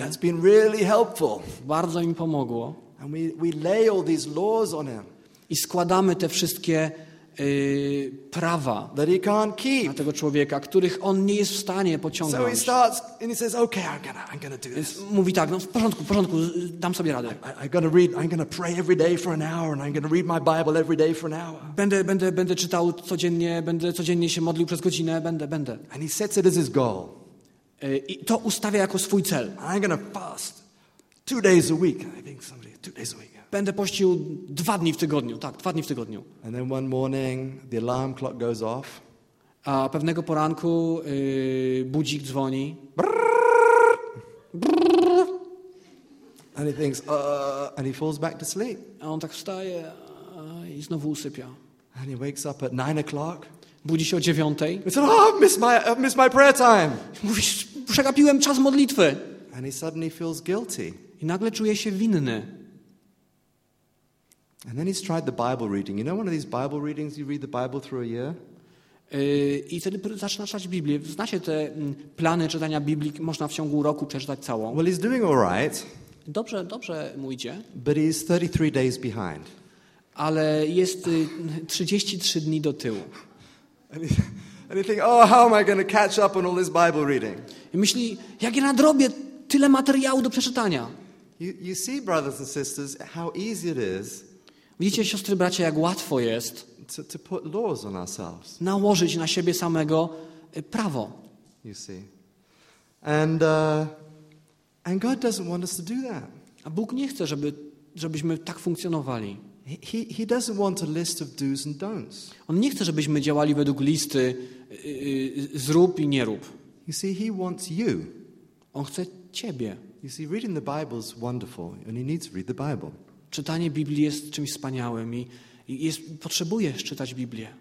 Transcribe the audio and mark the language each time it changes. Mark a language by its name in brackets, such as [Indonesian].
[English] That's been really helpful. [Polish] Bardzo mi pomogło. [English] And we lay all these laws on him. [Polish] I składamy te wszystkie prawa [English] that he can't keep. [Polish] Na tego człowieka, których on nie jest w stanie pociągnąć. [English] So he starts and he says, okay, I'm gonna do this. [Polish] Mówi tak, w porządku, dam sobie radę. [English] I'm gonna pray every day for an hour and I'm gonna read my Bible every day for an hour. [Polish] Będę czytał codziennie, będę codziennie się modlił przez godzinę, będę. [English] And he sets it as his goal. [Polish] I to ustawia jako swój cel. [English] I'm gonna fast 2 days a week. I think somebody 2 days a week. [Polish] Będę pościł 2 dni w tygodniu. Tak, 2 dni w tygodniu. [English] And then one morning, the alarm clock goes off. [Polish] A pewnego poranku budzik dzwoni. [English] And he thinks, and he falls back to sleep. [Polish] A on tak wstaje i znowu usypia. [English] And he wakes up at 9 o'clock. [Polish] Budzi się o 9. [English] He said, I've missed my prayer time. [Polish] Mówi, przegapiłem czas modlitwy. [English] And he suddenly feels guilty. [Polish] I nagle czuje się winny. [English] And then he's tried the Bible reading. You know one of these Bible readings you read the Bible through a year? [Polish] I wtedy zaczyna czytać Biblię. Znacie te plany czytania Biblii, można w ciągu roku przeczytać całą. [English] Well, he's doing all right. [Polish] Dobrze mu idzie. [English] But he's 33 days behind. [Polish] Ale jest 33 dni do tyłu. [English] And you think, oh, how am I going to catch up on all this Bible reading? [Polish] I myśli, jak ja nadrobię tyle materiału do przeczytania. [English] You see, brothers and sisters, how easy it is. [Polish] Widzicie, siostry, bracia, jak łatwo jest [English] to put laws on ourselves. [Polish] Nałożyć na siebie samego prawo. [English] You see. And God doesn't want us to do that. [Polish] A Bóg nie chce, żebyśmy tak funkcjonowali. [English] He doesn't want a list of do's and don'ts. [Polish] On nie chce, żebyśmy działali według listy zrób i nie rób. [English] You see, he wants you. [Polish] On chce ciebie. [English] You see, reading the Bible is wonderful, and he needs to read the Bible. [Polish] Czytanie Biblii jest czymś wspaniałym i potrzebujesz czytać Biblię.